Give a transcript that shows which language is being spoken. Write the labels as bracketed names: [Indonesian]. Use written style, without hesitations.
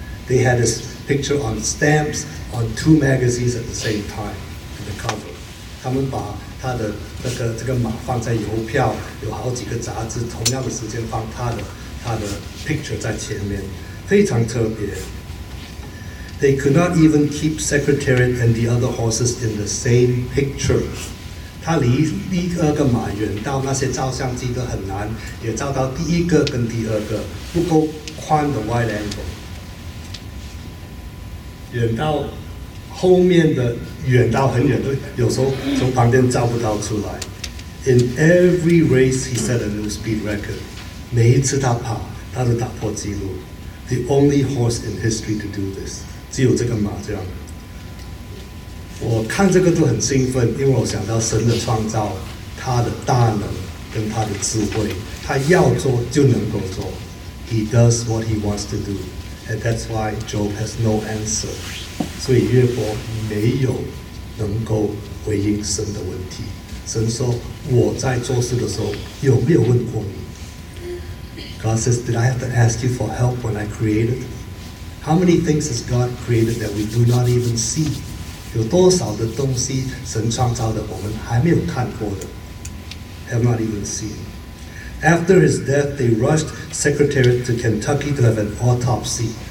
[English] They had this picture on stamps on two magazines at the same time, in the cover. [Chinese] 他们把他的那个这个马放在邮票，有好几个杂志同样的时间放他的 picture 在前面，非常特别。 [English] They could not even keep Secretariat and the other horses in the same picture. [Chinese] 他离第二个马远到那些照相机都很难，也照到第一个跟第二个不够宽的 wide angle， 远到后面的远到很远，有时候从旁边照不到出来。 [English] In every race he set a new speed record， [Chinese] 每一次他跑他都打破记录。 [English] The only horse in history to do this， [Chinese] 只有这个马这样。我看这个都很兴奋，因为我想到神的创造，他的大能跟他的智慧，他要做就能够做。 [English] He does what he wants to do， and that's why Job has no answer。 [Chinese] 所以约伯没有能够回应神的问题。神说：“我在做事的时候有没有问过你？” [English] God says, "Did I have to ask you for help when I created?" How many things has God created that we do not even see? [Chinese] 有多少的东西神创造的我们还没有看过的， [English] have not even seen. After his death, they rushed Secretariat to Kentucky to have an autopsy.